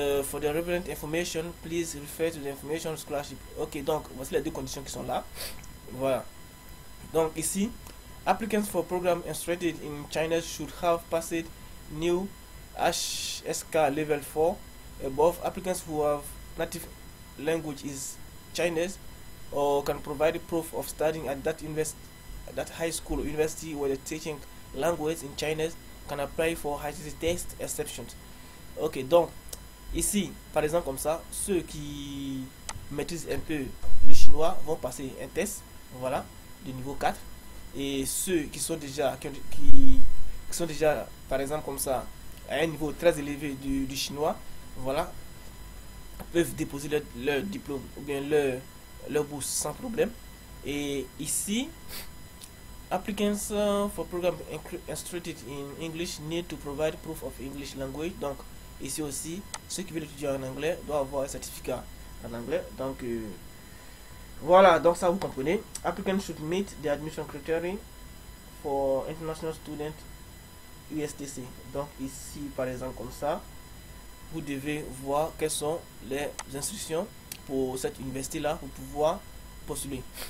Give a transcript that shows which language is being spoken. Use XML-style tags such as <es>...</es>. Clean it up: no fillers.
<en>For the relevant information, please refer to the information scholarship.</en> <fr>Ok, donc voici les deux conditions qui sont là. Voilà. Donc ici,</fr> <en>applicants for program instructed in China should have passed new HSK level 4 above. Applicants who have native language is Chinese or can provide proof of studying at that university. That high school or university where the teaching language in Chinese can apply for high test exceptions.</en> <fr>Ok, donc ici, par exemple, comme ça, ceux qui maîtrisent un peu le chinois vont passer un test, voilà, de niveau 4. Et ceux qui sont déjà, qui sont déjà, par exemple, comme ça, à un niveau très élevé du chinois, voilà, peuvent déposer leur diplôme ou bien leur bourse sans problème. Et ici,</fr> <en>applicants for program instructed in English need to provide proof of English language.</en> <fr>Donc, ici aussi, ceux qui veulent étudier en anglais doivent avoir un certificat en anglais. Donc, voilà, donc ça vous comprenez.</fr> <en>Applicants should meet the admission criteria for international student USTC.</en> <fr>Donc, ici, par exemple, comme ça, vous devez voir quelles sont les instructions pour cette université-là pour pouvoir postuler.</fr>